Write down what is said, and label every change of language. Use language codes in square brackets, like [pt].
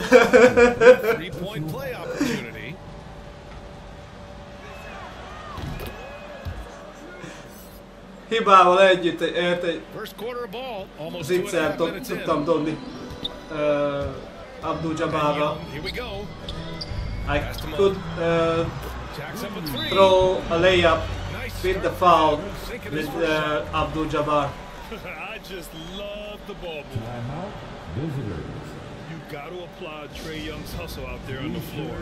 [en] 3 point play opportunity. [hu] Hibával együtt ért egy zicser, tudtam dobni Abdul-Jabbarra. [en] I could throw a layup with the foul with Abdul-Jabbar. I just love the ball move. You got to applaud Trae Young's hustle out there on the floor.